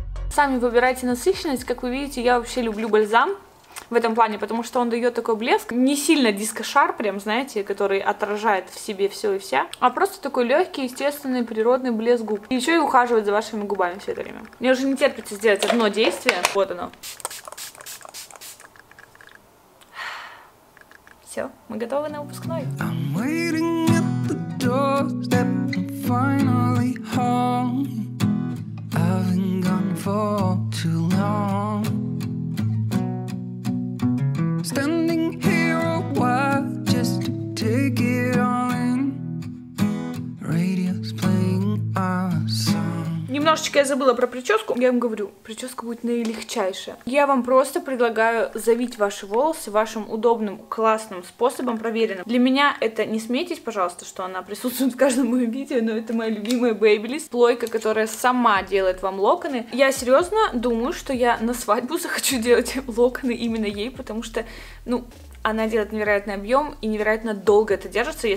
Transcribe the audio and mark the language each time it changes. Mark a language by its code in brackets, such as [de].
[ru] Сами выбирайте насыщенность. Как вы видите, я вообще люблю бальзам в этом плане, потому что он дает такой блеск, не сильно диско-шар прям, знаете, который отражает в себе все и вся, а просто такой легкий, естественный, природный блеск губ. И еще и ухаживать за вашими губами все это время. Мне уже не терпится сделать одно действие. Вот оно. Все, мы готовы на выпускной. [en] I'm waiting at the doorstep, finally home. I've been gone for too long. Standing here a while just to take it all in. Radio's playing our song. [ru] Немножечко я забыла про прическу. Я вам говорю, прическа будет наилегчайшая. Я вам просто предлагаю завить ваши волосы вашим удобным, классным способом, проверенным. Для меня это, не смейтесь, пожалуйста, что она присутствует в каждом моем видео, но это моя любимая Babyliss. Плойка, которая сама делает вам локоны. Я серьезно думаю, что я на свадьбу захочу делать локоны именно ей, потому что, ну, она делает невероятный объем и невероятно долго это держится.